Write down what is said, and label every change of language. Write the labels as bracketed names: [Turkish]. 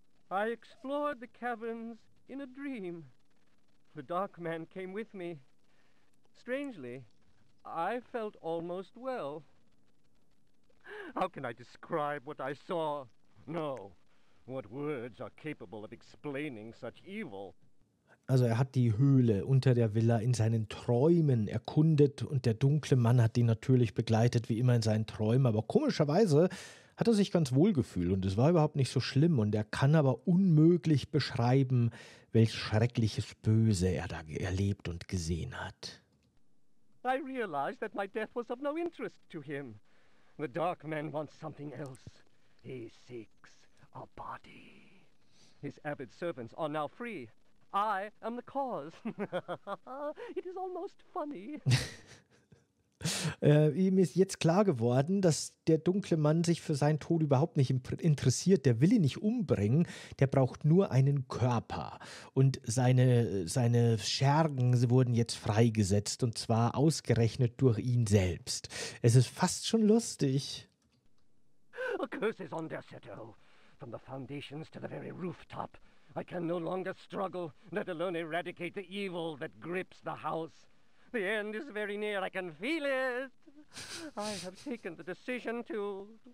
[English] I explored the caverns in a dream. The dark man came with me. Strangely, I felt almost well. How can I describe what I saw? No. What words are capable of explaining such evil? [German] Also er hat die Höhle unter der Villa in seinen Träumen erkundet und der dunkle Mann hat ihn natürlich begleitet, wie immer in seinen Träumen. Aber komischerweise hat er sich ganz wohl gefühlt und es war überhaupt nicht so schlimm. Und er kann aber unmöglich beschreiben, welch schreckliches Böse er da erlebt und gesehen hat. [English] I realized that my death was of no interest to him. The dark man wants something else. He seeks a body. His avid servants are now free. I am the cause. It is almost funny. [German] Ihm ist jetzt klar geworden, dass der dunkle Mann sich für seinen Tod überhaupt nicht interessiert. Der will ihn nicht umbringen, der braucht nur einen Körper. Und seine Schergen wurden jetzt freigesetzt und zwar ausgerechnet durch ihn selbst. Es ist fast schon lustig. [English] A curse is on der Seto. From the foundations to the very rooftop. I can no longer struggle, let alone eradicate the evil that grips the house. The end is very near, I can feel it. I have taken the decision to...